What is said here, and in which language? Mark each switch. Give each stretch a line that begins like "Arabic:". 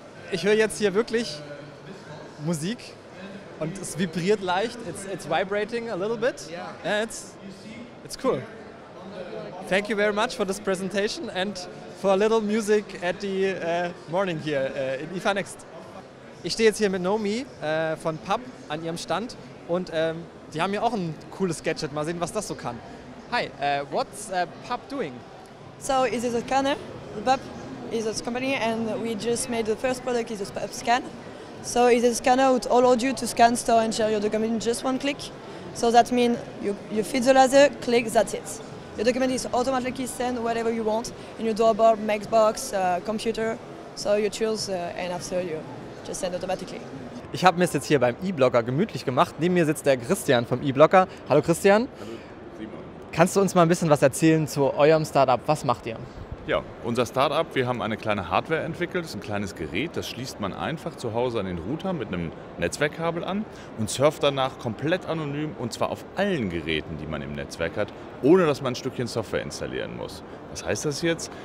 German: Ich höre jetzt hier wirklich Musik und es vibriert leicht.
English: It's vibrating a little bit. Yeah. It's cool. Thank you very much for this presentation and for a little music at the morning here in IFA Next.
German: Ich stehe jetzt hier mit Nomi von PUB an ihrem Stand und die haben hier auch ein cooles Gadget. Mal sehen, was das so kann.
English: Hi, what's PUB doing? So, this is a scanner. PUB is a company and we just made the first product, is a PUB scan. So it is a scanner which allowed you to scan, store and share your document in just one click. So that means you feed the laser, click, that's it. Your document is automatically sent wherever you want, in your doorbell, Xbox, computer. So you choose and after you just send automatically.
German: Ich habe mir jetzt hier beim eBlogger gemütlich gemacht. Neben mir sitzt der Christian vom eBlogger. Hallo Christian. Hallo Simon. Kannst du uns mal ein bisschen was erzählen zu eurem Startup? Was macht ihr? Ja, unser Startup, wir haben eine kleine Hardware entwickelt. Das ist ein kleines Gerät, das schließt man einfach zu Hause an den Router mit einem Netzwerkkabel an und surft danach komplett anonym und zwar auf allen Geräten, die man im Netzwerk hat, ohne dass man ein Stückchen Software installieren muss. Was heißt das jetzt?